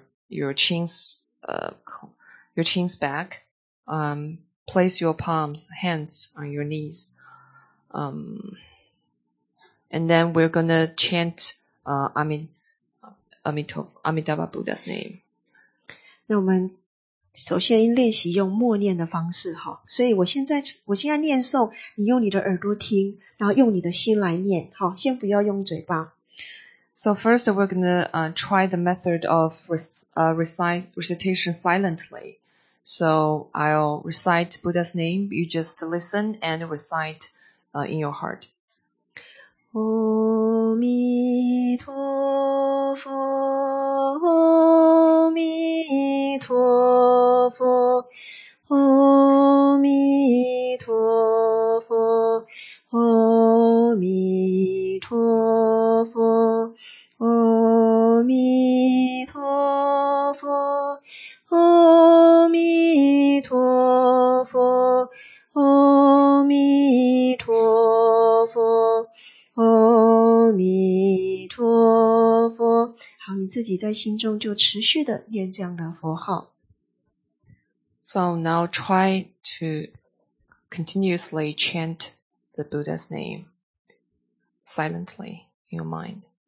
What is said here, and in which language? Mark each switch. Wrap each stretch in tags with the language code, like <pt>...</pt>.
<en>your chin's back, place your palms, hands on your knees, and then we're gonna chant, Amitabha Buddha's name.</en> <zh>那我们首先练习用默念的方式哈，所以我现在念诵，你用你的耳朵听，然后用你的心来念，好，先不要用嘴巴。</zh> <en>So first we're gonna try the method of recitation silently. So I'll recite Buddha's name. You just listen and recite in your heart.</en> <zh>Om Mito Fo, Om Mito Fo, Om Mito Fo, Om Mito Fo, Om Mito Fo. 阿弥陀佛，阿弥陀佛，阿弥陀佛。好，你自己在心中就持续的念这样的佛号。</zh> <en>So now try to continuously chant the Buddha's name silently in your mind.</en>